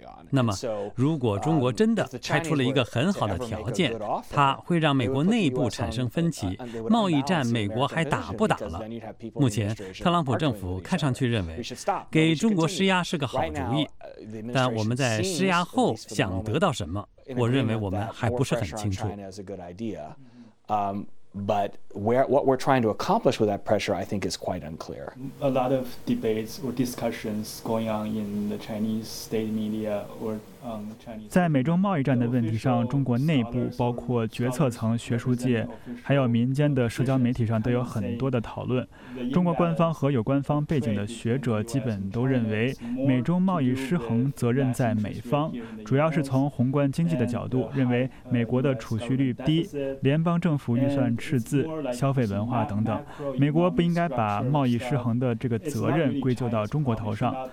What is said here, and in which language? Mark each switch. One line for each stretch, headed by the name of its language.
Chinese: 那么如果中国真的开出了一个很好的条件，它会让美国内部产生分歧，贸易战美国还打不打了？目前特朗普政府看上去认为给中国施压是个好主意，但我们在施压后想得到什么，我认为我们还不是很清楚。
English: But where, what we're trying to accomplish with that pressure, I think, is quite unclear. A lot of debates or discussions going on in the Chinese state media or on the Chinese.
Chinese: 在美中贸易战的问题上，中国内部包括决策层、学术界，还有民间的社交媒体上都有很多的讨论。中国官方和有官方背景的学者基本都认为，美中贸易失衡责任在美方，主要是从宏观经济的角度，认为美国的储蓄率低，联邦政府预算赤字，消费文化等等，美国不应该把贸易失衡的这个责任归咎到中国头上。